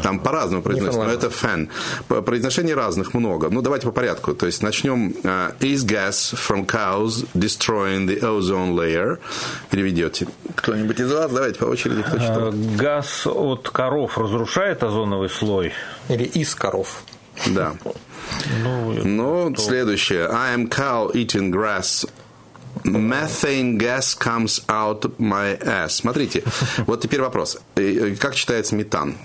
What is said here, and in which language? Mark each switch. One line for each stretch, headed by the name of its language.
Russian: Там по-разному произносится, но это фен. Произношений разных много. Ну, давайте по порядку. То есть начнем.
English: Is gas from cows destroying the ozone layer?
Russian: Переведете. Кто-нибудь из вас? Давайте по очереди. Кто читал? Газ от коров разрушает озоновый слой? Или из коров? Да. Ну, следующее.
English: I am cow eating grass. Methane gas comes out my ass.
Russian: Смотрите, вот теперь вопрос. Как читается метан?